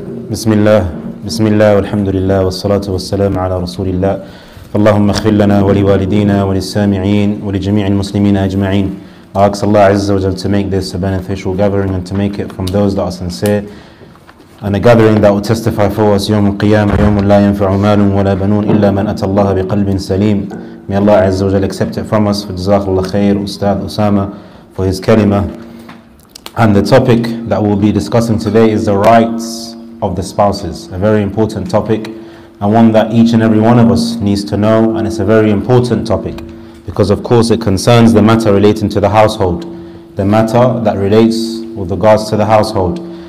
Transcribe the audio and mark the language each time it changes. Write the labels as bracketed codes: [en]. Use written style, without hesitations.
[ar] بسم الله بسم الله والحمد لله والصلاة والسلام على رسول الله اللهم اغفر لنا ولوالدينا وللسامعين ولجميع المسلمين أجمعين. [en] I ask Allah Azza wa Jalla to make this a beneficial gathering and to make it from those that are sincere and a gathering that will testify for us [ar] يوم القيامة يوم لا ينفع مال ولا بنون إلا من أتى الله بقلب سليم. [en] May Allah Azza wa Jalla accept it from us. [ar] جزاك الله خير أستاذ أسامة [en] for his kalima. And the topic that we'll be discussing today is the rights of the spouses, a very important topic and one that each and every one of us needs to know. And it's a very important topic because of course it concerns the matter relating to the household, the matter that relates with regards to the household.